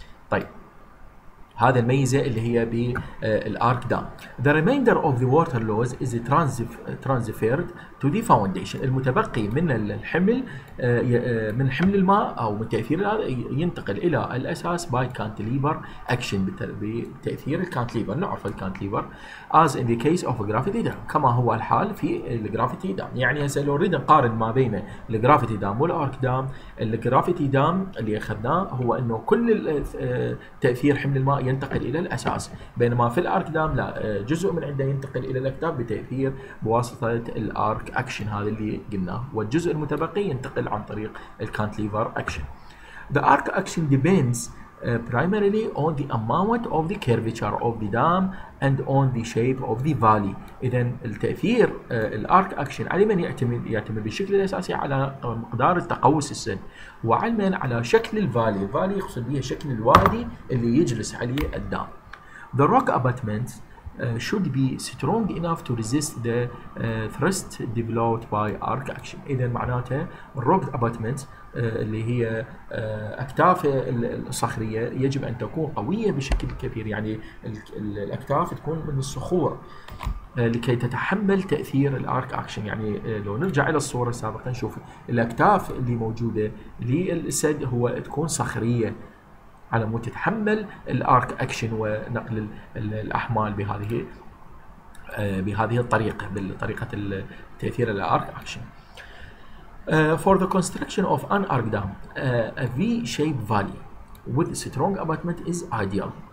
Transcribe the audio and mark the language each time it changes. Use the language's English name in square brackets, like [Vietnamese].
[Arabic] طيب هذا الميزه اللي هي بالارك دام. [English] The remainder of the water loss is transferred to the foundation. [Arabic] المتبقي من الحمل من حمل الماء او من تاثير هذا ينتقل الى الاساس [English] by cantilever action [Arabic] بتاثير الكانتليفر، نعرف الكانتليفر [English] as in the case of a gravity dam [Arabic] كما هو الحال في الجرافيتي دام. يعني هسه لو نريد نقارن ما بين الجرافيتي دام والارك دام، الجرافيتي دام اللي اخذناه هو انه كل تاثير حمل الماء ينتقل الى الاساس، بينما في الارك دام لا، جزء من عنده ينتقل الى الاكتاف بتاثير بواسطه الارك اكشن هذا اللي قلناه، والجزء المتبقي ينتقل عن طريق الكانتليفر اكشن. [English] The arc action depends primarily on the amount of the curvature of the dam and on the shape of the valley. [Arabic] اذا التاثير الارك اكشن على من يعتمد؟ يعتمد بشكل اساسي على مقدار التقوس السد، وعلى من؟ على شكل الفالي. الفالي يقصد بها شكل الوادي اللي يجلس عليه الدام. [English] The rock abutments should be strong enough to resist the thrust developed by arc action. [Arabic] اذا معناته الروك ابوتمنت اللي هي اكتاف الصخريه يجب ان تكون قويه بشكل كبير، يعني الاكتاف تكون من الصخور لكي تتحمل تاثير الارك اكشن. يعني لو نرجع الى الصوره السابقه نشوف الاكتاف اللي موجوده للسد هو تكون صخريه على مود تتحمل الارك اكشن ونقل الاحمال بهذه الطريقه بطريقه تاثير الارك اكشن. [English] For the construction of an arc dam, a V-shaped valley with strong abutment is ideal.